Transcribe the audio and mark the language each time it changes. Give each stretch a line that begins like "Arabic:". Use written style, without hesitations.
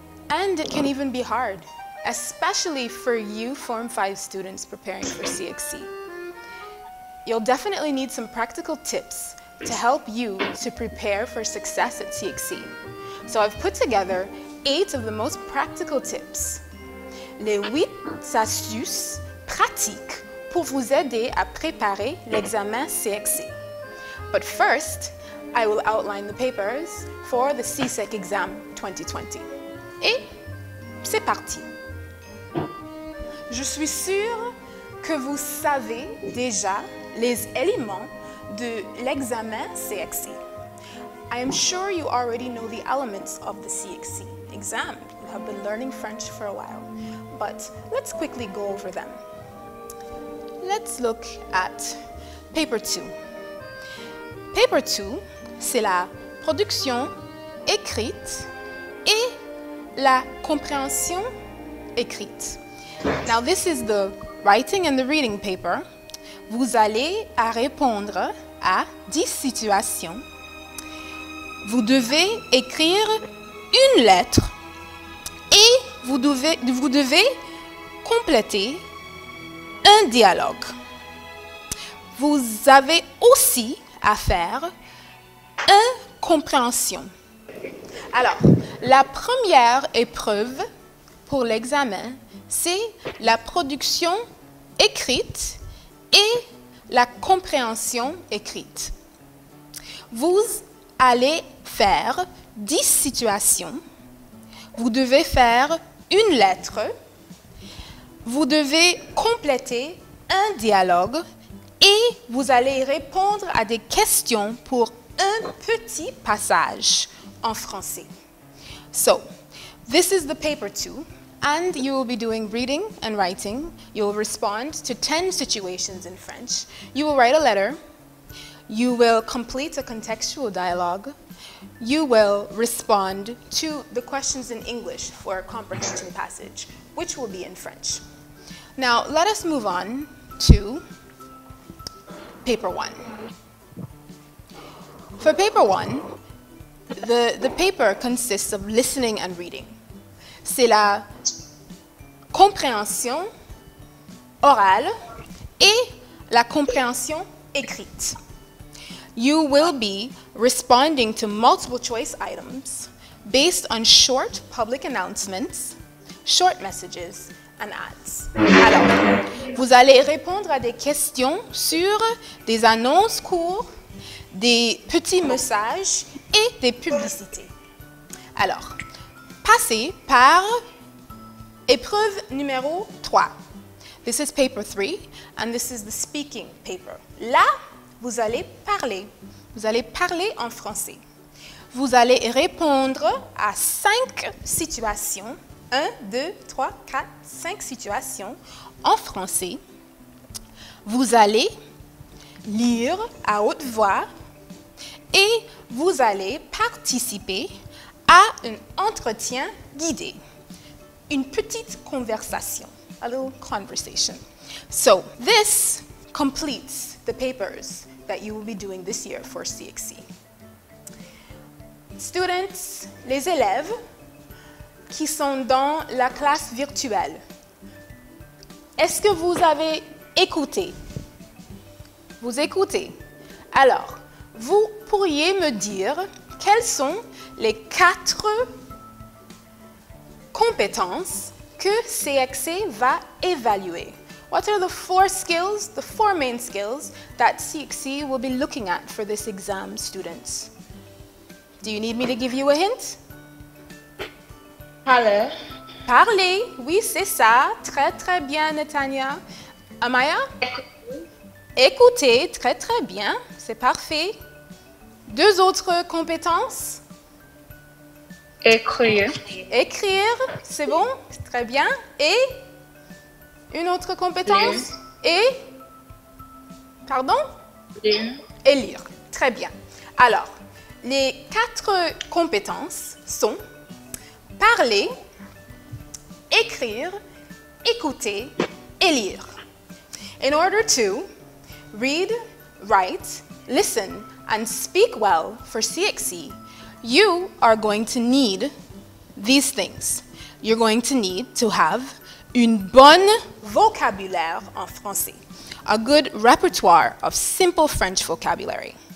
English: And it can even be hard, especially for you Form 5 students preparing for CXC. You'll definitely need some practical tips to help you to prepare for success at CXC. So I've put together 8 of the most practical tips.
French: Les 8 astuces pratiques pour vous aider à préparer l'examen CXC.
English: But first, I will outline the papers for the CSEC exam 2020.
French: Et c'est parti. Je suis sûre que vous savez déjà les éléments de l'examen CXC.
English: I am sure you already know the elements of the CXC exam. You have been learning French for a while, but let's quickly go over them. Let's look at paper 2.
French: Paper 2, c'est la production écrite et la compréhension écrite.
English: Now this is the writing and the reading paper.
French: Vous allez à répondre à 10 situations. Vous devez écrire une lettre et vous devez compléter un dialogue. Vous avez aussi à faire une compréhension. Alors, la première épreuve pour l'examen, c'est la production écrite et la compréhension écrite. Vous allez faire 10 situations. Vous devez faire une lettre. Vous devez compléter un dialogue. Et vous allez répondre à des questions pour un petit passage en français.
English: So, this is the paper 2. And you will be doing reading and writing. You will respond to 10 situations in French. You will write a letter. You will complete a contextual dialogue. You will respond to the questions in English for a comprehension passage, which will be in French. Now, let us move on to paper 1. For paper 1, the paper consists of listening and reading.
French: C'est la compréhension orale et la compréhension écrite.
English: You will be responding to multiple choice items based on short public announcements, short messages, and ads.
French: Alors, vous allez répondre à des questions sur des annonces courtes, des petits messages et des publicités. Alors, passez par épreuve numéro 3.
English: This is paper 3 and this is the speaking paper.
French: Là, vous allez parler. Vous allez parler en français. Vous allez répondre à 5 situations. 1, 2, 3, 4, 5 situations en français. Vous allez lire à haute voix et vous allez participer à un entretien guidé. Une petite conversation.
English: A little conversation. So, this completes the papers that you will be doing this year for CXC.
French: Students, les élèves qui sont dans la classe virtuelle, est-ce que vous avez écouté? Vous écoutez? Alors, vous pourriez me dire quelles sont les 4 compétences que CXC va évaluer?
English: What are the 4 skills, the 4 main skills that CXC will be looking at for this exam, students? Do you need me to give you a hint?
French: Parler. Parler, oui, c'est ça. Très, très bien, Natasha. Amaya? Écouter. Très, très bien. C'est parfait. 2 autres compétences? Écrire. Écrire, c'est bon. Très bien. Et? Une autre compétence? Lire. Et? Pardon? Lire. Et lire. Très bien. Alors, les 4 compétences sont parler, écrire, écouter et lire.
English: In order to read, write, listen and speak well for CXC, you are going to need these things. You're going to need to have
French: une bonne vocabulaire en français,
English: a good repertoire of simple French vocabulary.